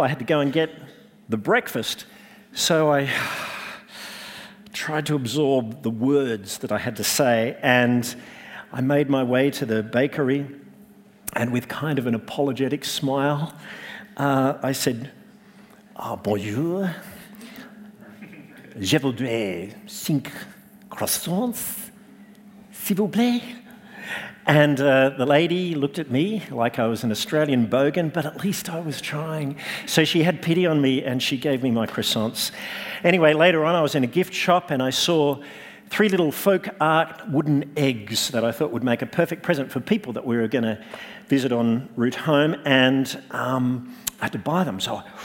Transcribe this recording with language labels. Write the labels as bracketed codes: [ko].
[en] I had to go and get the breakfast. So I tried to absorb the words that I had to say, and I made my way to the bakery, and with kind of an apologetic smile, I said... [fr] Ah, bonjour, je voudrais 5 croissants, s'il vous plaît. [en] And the lady looked at me like I was an Australian bogan, but at least I was trying. So she had pity on me and she gave me my croissants. Anyway, later on I was in a gift shop and I saw 3 little folk art wooden eggs that I thought would make a perfect present for people that we were going to visit [fr] en route [en] home, and I had to buy them. So.